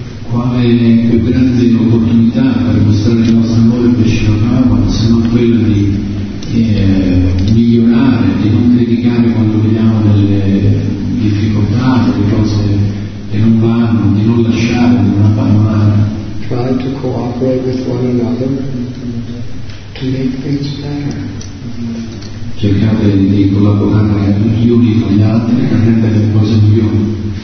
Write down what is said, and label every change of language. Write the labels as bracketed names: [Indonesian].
[Italian] quale più grande opportunità per mostrare il nostro amore per Srila Prabhupada se non quella di migliorare, di non criticare quando vediamo delle difficoltà, delle cose che non vanno, di non lasciare, di non abbandonare. [English] Try to cooperate with one another to make things better. [Italian] Cercate di collaborare gli uni con gli altri per rendere le cose migliori.